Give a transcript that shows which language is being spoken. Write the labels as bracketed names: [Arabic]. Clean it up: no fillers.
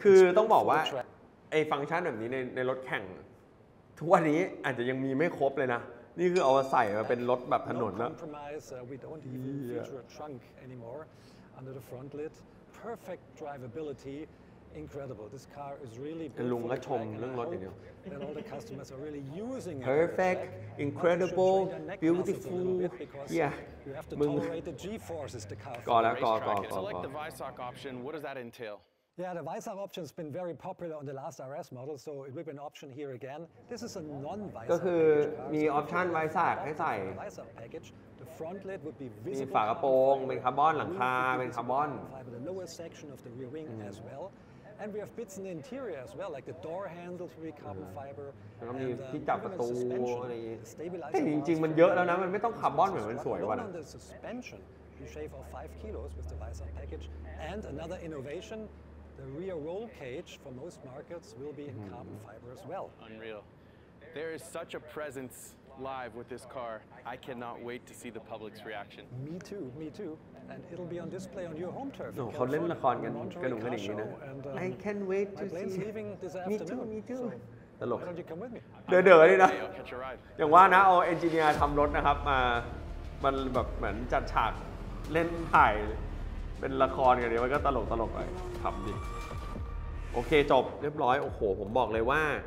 [Thai] คือต้องบอกว่าไอ้ฟังก์ชันแบบนี้ในรถแข่งทุกวันนี้อาจจะยังมีไม่ครบเลยนะนี่คือเอาใส่มาเป็นรถแบบถนนนะ [English] We don't even feature a trunk anymore under the front lid. Perfect drivability, incredible. This car is really beautiful. [Thai] ลุงก็ชมเรื่องรถอย่างเดียว [English] And all the customers are really using it. Perfect, incredible, beautiful. Yeah. You have to tolerate the G-forces the car. [Thai] ก่อนแล้ว [English] Select the Vysok option. What does that entail? Yeah, the Vysok option has been very popular on the last RS model, so it will be an option here again. This is a non-Vysok package. [Thai] ก็คือมีออปชันไวซากให้ใส่ [English] Vysok package. The front lid would be visible. [Thai] มีฝากระโปรงเป็นคาร์บอนหลังคาเป็นคาร์บอน [English] The lower section of the rear wing as well, and we have bits in the interior as well, like the door handles will be carbon fiber. [Thai] แล้วมีที่จับประตูอะไรแต่จริงๆมันเยอะแล้วนะมันไม่ต้องคาร์บอนเหมือนมันสวยกว่านะ [English] You shave off 5 kilos with the Vysok package, and another innovation. The rear roll cage for most markets will be in carbon fiber as well. Unreal. There is such a presence live with this car. I cannot wait to see the public's reaction. Me too. And it'll be on display on your home turf. No, [Thai] เขาเล่นละครกันกระหนุ่มกันอย่างนี้นะ [English] I can't wait to see. Me too. [Thai] ตลกเดี๋ยวนี่นะอย่างว่านะเอาเอนจิเนียร์ทำรถนะครับมันแบบเหมือนจัดฉากเล่นถ่ายเป็นละครกันเดี๋ยวมันก็ตลกไปขำดิโอเคจบเรียบร้อยโอ้โหผมบอกเลยว่า